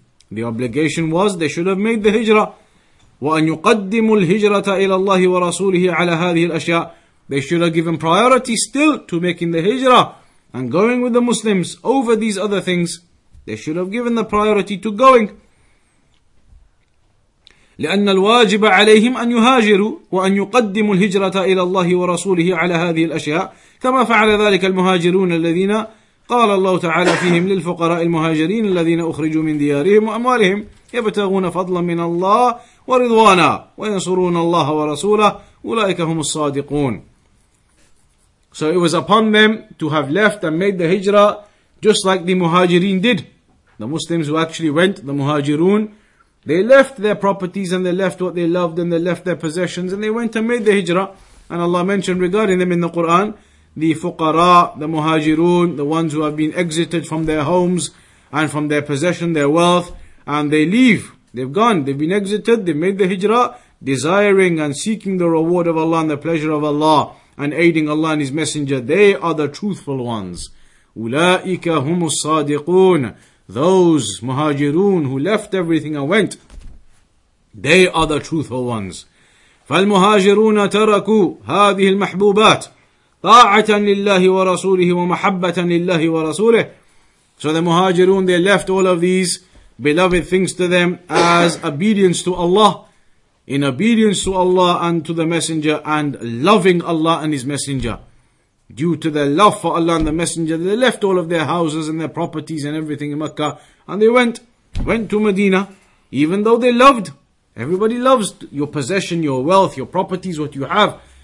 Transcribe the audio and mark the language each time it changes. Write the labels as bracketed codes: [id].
[en] The obligation was they should have made the hijrah. [ar] وَأَنْ يُقَدِّمُوا الْهِجْرَةَ إِلَى اللَّهِ وَرَسُولِهِ عَلَى هَذِهِ الْأَشْيَاءِ. [en] They should have given priority still to making the hijrah and going with the Muslims over these other things, they should have given the priority to going. [ar] لأن الواجب عليهم أن يهاجروا وأن يقدموا الهجرة إلى الله ورسوله على هذه الأشياء كما فعل ذلك المهاجرون الذين قال الله تعالى فيهم للفقراء المهاجرين الذين أخرجوا من ديارهم وأموالهم يبتغون فضلا من الله ورضوانا وينصرون الله ورسوله أولئك هم الصادقون. [en] So it was upon them to have left and made the hijra just like the muhajirin did. The Muslims who actually went, the muhajirun, they left their properties and they left what they loved and they left their possessions and they went and made the hijrah. And Allah mentioned regarding them in the Quran, the fuqara, the muhajirun, the ones who have been exited from their homes and from their possession, their wealth, and they leave. They've gone, they've been exited, they've made the hijrah, desiring and seeking the reward of Allah and the pleasure of Allah and aiding Allah and His Messenger. They are the truthful ones. [ar] Ulaika humus sadiqun. [en] Those muhajirun who left everything and went, they are the truthful ones. [ar] فالمهاجرون تركوا هذه المحبوبات طاعة لله ورسوله ومحبة لله ورسوله. [en] So the muhajirun, they left all of these beloved things to them as obedience to Allah, in obedience to Allah and to the Messenger, and loving Allah and His Messenger. Due to their love for Allah and the Messenger, they left all of their houses and their properties and everything in Mecca, and they went to Medina, even though they loved, everybody loves your possession, your wealth, your properties, what you have.